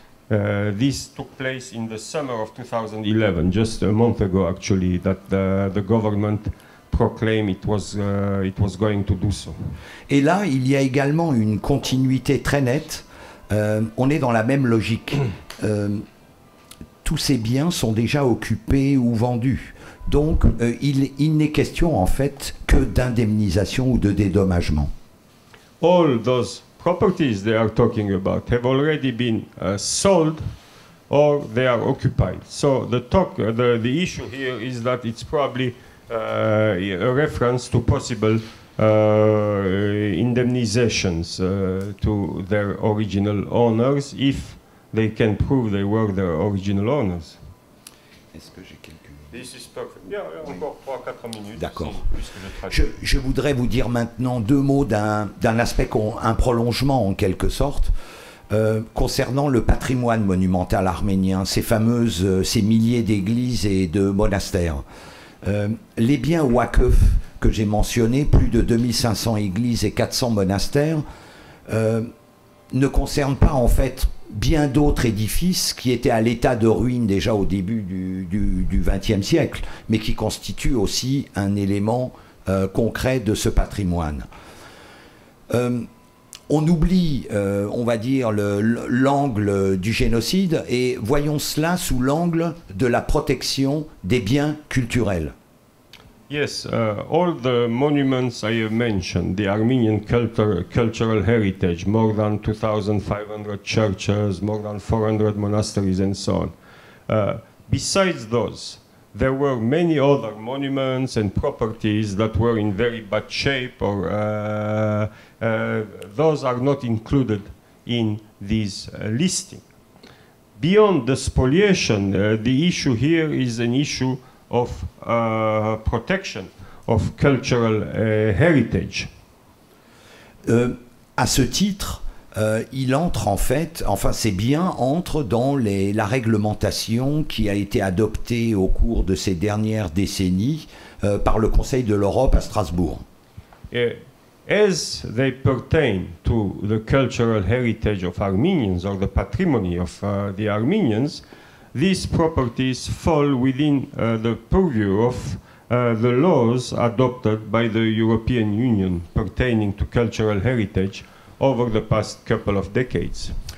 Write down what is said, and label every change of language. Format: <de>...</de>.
<en>This took place in the summer of 2011, just a month ago, actually, that the government proclaim it was going to do so.</en> <fr>Et là, il y a également une continuité très nette. On est dans la même logique. Tous ces biens sont déjà occupés ou vendus. Donc, il n'est question en fait que d'indemnisation ou de dédommagement.</fr> <en>All those properties they are talking about have already been sold or they are occupied. So the issue here is that it's probably a reference to possible indemnizations to their original owners if they can prove they were their original owners.</en> <fr>Est-ce que j'ai quelques</fr> <en>minutes? This is perfect. Yeah,</en> <fr>encore 3-4 minutes. D'accord. Je voudrais vous dire maintenant deux mots d'un aspect, un prolongement en quelque sorte, concernant le patrimoine monumental arménien, ces milliers d'églises et de monastères. Les biens Wakuf que j'ai mentionnés, plus de 2500 églises et 400 monastères, ne concernent pas en fait bien d'autres édifices qui étaient à l'état de ruines déjà au début du XXe siècle, mais qui constituent aussi un élément concret de ce patrimoine. On oublie, on va dire, l'angle du génocide et voyons cela sous l'angle de la protection des biens culturels.</fr> <en>Yes, all the monuments I have mentioned, the Armenian cultural heritage, more than 2,500 churches, more than 400 monasteries and so on. Besides those, there were many other monuments and properties that were in very bad shape or those are not included in this listing. Beyond the spoliation, the issue here is an issue of protection of cultural heritage.</en> <fr>À ce titre, il entre en fait, enfin ces biens entrent dans la réglementation qui a été adoptée au cours de ces dernières décennies par le Conseil de l'Europe à Strasbourg.</fr> <en>As they pertain to the cultural heritage of Armenians or the patrimony of the Armenians, these properties fall within the purview of the laws adopted by the European Union pertaining to cultural heritage over the past couple of decades.</en>